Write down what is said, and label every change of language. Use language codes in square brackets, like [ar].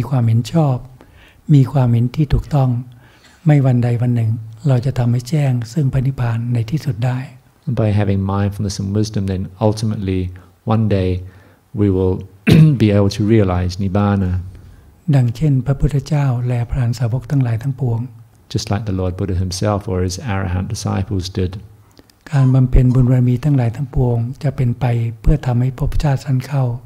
[th] และเราเมื่อเรามีสติมีปัญญามีความเห็นชอบมีความเห็นที่ถูกต้อง ไม่วันใดวันหนึ่งเราจะทำให้แจ้งซึ่งพระนิพพานในที่สุดได้ [en] By having mindfulness and wisdom, then ultimately one day we will be able to realize Nibbana. [th] ดังเช่นพระพุทธเจ้าและพระอรหันตสาวกทั้งหลายทั้งปวง [en] Just like the Lord Buddha himself or his arahant disciples did. [th] การบำเพ็ญบุญบารมีทั้งหลายทั้งปวงจะเป็นไปเพื่อทำให้ภพชาติสั้นเข้า